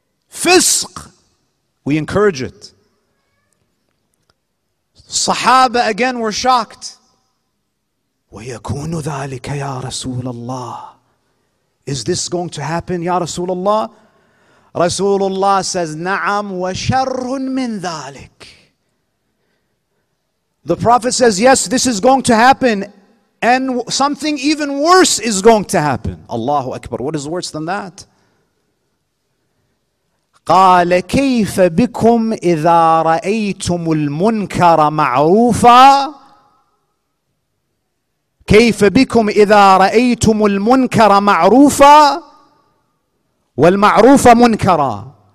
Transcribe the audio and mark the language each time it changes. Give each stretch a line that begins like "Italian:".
English: Fisq, we encourage it. Sahaba again were shocked.
Arabic: وَيَكُونُ ذَٰلِكَ يَا رَسُولَ اللَّهِ.
English: Is this going to happen, Ya Rasulullah? Rasulullah says,
Arabic: نَعَمْ وَشَرٌ مِّن ذَٰلِكَ.
English: The Prophet says, yes, this is going to happen, and something even worse is going to happen. Allahu Akbar. What is worse than that?
Arabic: قَالَ كَيْفَ بِكُمْ إِذَا رَأَيْتُمُ الْمُنْكَرَ مَعْرُوفًا كَيْفَ بِكُمْ إِذَا رَأَيْتُمُ الْمُنْكَرَ مَعْرُوفًا وَالْمَعْرُوفَ مُنْكَرًا.